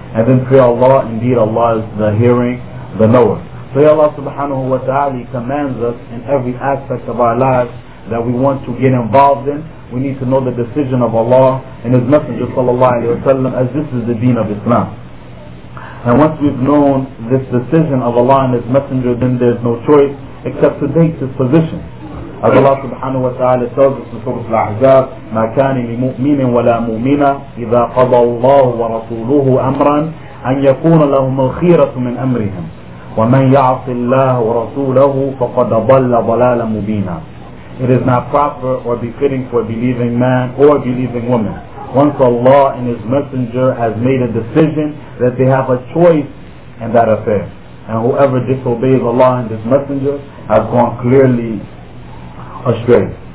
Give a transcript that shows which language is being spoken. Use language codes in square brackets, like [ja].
[en] And then pray Allah, indeed Allah is the hearing, the knower. So Allah subhanahu wa ta'ala commands us in every aspect of our lives that we want to get involved in. We need to know the decision of Allah and His Messenger sallallahu alayhi wa sallam, as this is the deen of Islam. And once we've known this decision of Allah and His Messenger, then there's no choice except to take this position. As Allah subhanahu wa ta'ala tells us in Surah Al-Ahzab, [ar] مَا كَانِ لِمُؤْمِنٍ وَلَا مُؤْمِنَ إِذَا قَضَى اللَّهُ وَرَسُولُهُ أَمْرًا أَنْ يَكُونَ لَهُمُ الْخِيرَةُ مِنْ أَمْرِهِمْ وَمَنْ يَعْصِ اللَّهُ وَرَسُولَهُ فَقَدْ ضَلَّ ضَلَالًا مُبِينًا. [en] It is not proper or befitting for a believing man or a believing woman. Once Allah and His Messenger has made a decision, that they have a choice in that affair. And whoever disobeys Allah and His Messenger has gone clearly astray.